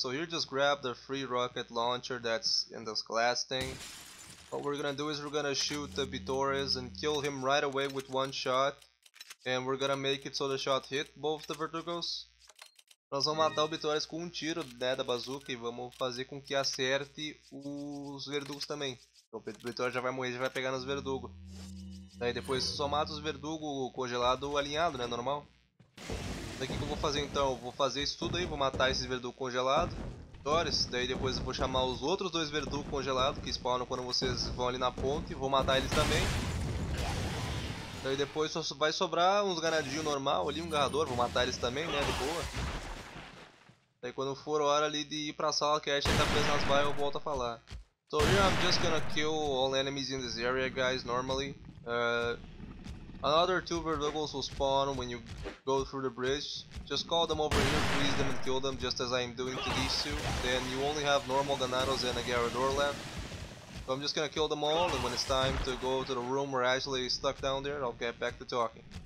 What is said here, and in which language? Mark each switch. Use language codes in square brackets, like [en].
[en] So here, just grab the free rocket launcher that's in this glass thing. What we're gonna do is we're gonna shoot the Bitores and kill him right away with one shot. And we're gonna make it so the shot hit both the Verdugos. [pt] Nós vamos matar o Bitores com um tiro, né, da bazuca, e vamos fazer com que acerte os verdugos também. Então, o Bitores já vai morrer, já vai pegar nos verdugos. Daí depois você só mata os verdugos congelados alinhado, né, normal. Daí o que eu vou fazer então? Eu vou fazer isso tudo aí, vou matar esses verdugos congelados, Bitores. Daí depois eu vou chamar os outros dois verdugos congelados, que spawnam quando vocês vão ali na ponte, vou matar eles também. Daí depois só vai sobrar uns ganadinhos normal ali, um garrador, vou matar eles também, né, de boa. Daí quando for hora ali de ir pra sala que a Ashe tá presa nas bairras, eu volto a falar. [en] So here I'm just gonna kill all enemies in this area, guys, normally. Another two verdugos will spawn when you go through the bridge. Just call them over here, freeze them and kill them, just as I'm doing to these two. Then you only have normal ganados and a garrador left. So I'm just gonna kill them all, and when it's time to go to the room where Ashley is stuck down there, I'll get back to talking.